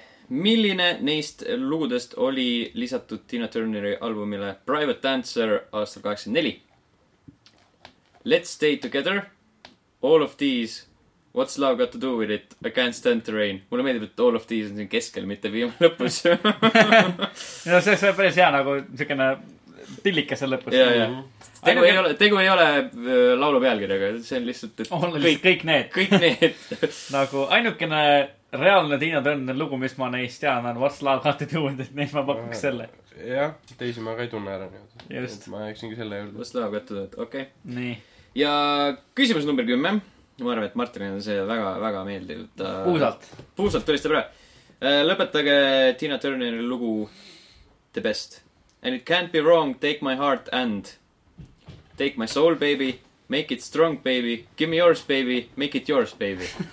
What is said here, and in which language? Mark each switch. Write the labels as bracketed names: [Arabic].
[Estonian] Milline neist lugudest oli lisatud Tina Turneri albumile Private Dancer aastal 84? [English] Let's Stay Together, All of These, What's Love Got to Do With It, I Can't Stand the Rain. [Estonian] Mulle meeldib, et All of These on siin keskel, mitte viima lõpus. No, see on päris hea nagu siukene tillikese lõpus. Yeah, yeah. Tegu ei ole laulu pealkirjaga, see on lihtsalt, et kõik need. Kõik need. Nagu ainukene... Reaalne Tiina Turner lugu, mis ma neist tean, on What's Love Got to Do With It, neist ma pakuks selle. Jah, teisi ma ka ei tunne ära. Just. Ma jääksingi selle juurde. [English] What's Love Got to Do It, okei. [Estonian] Okay. Nii. Ja küsimus number 10. Ma arvan, et Martinil on see väga, väga meeldiv. Puusalt. Puusalt tuli seda praegu. Lõpetage Tiina Turneri lugu The Best. [English] And it can't be wrong, take my heart and take my soul, baby, make it strong, baby, give me yours, baby, make it yours, baby.